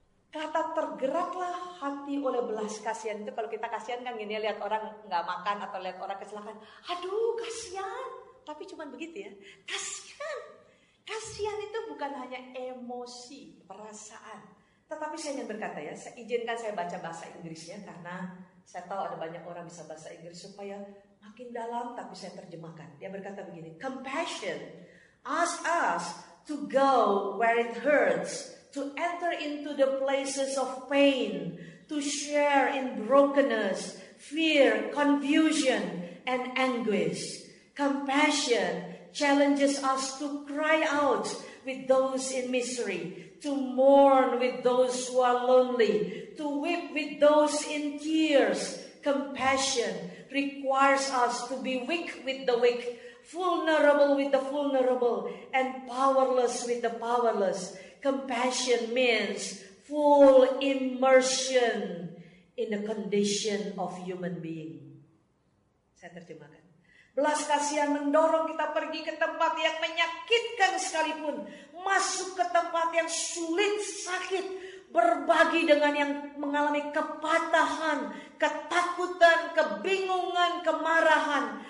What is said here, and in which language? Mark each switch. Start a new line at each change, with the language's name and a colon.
Indonesian: Kata tergeraklah hati oleh belas kasihan itu, kalau kita kasihan kan gini, lihat orang gak makan atau lihat orang kecelakaan, aduh kasihan, tapi cuman begitu ya. Kasihan, kasihan itu bukan hanya emosi, perasaan. Tetapi saya ingin berkata ya, saya izinkan saya baca bahasa Inggrisnya, karena saya tahu ada banyak orang bisa bahasa Inggris supaya makin dalam, tapi saya terjemahkan. Dia berkata begini,
English: compassion asks us to go where it hurts, to enter into the places of pain, to share in brokenness, fear, confusion, and anguish. Compassion challenges us to cry out with those in misery, to mourn with those who are lonely, to weep with those in tears. Compassion requires us to be weak with the weak, vulnerable with the vulnerable, and powerless with the powerless. Compassion means full immersion in the condition of human being.
Indonesian: Saya terjemahkan. Belas kasihan mendorong kita pergi ke tempat yang menyakitkan sekalipun, masuk ke tempat yang sulit, sakit, berbagi dengan yang mengalami kepatahan, ketakutan, kebingungan, kemarahan.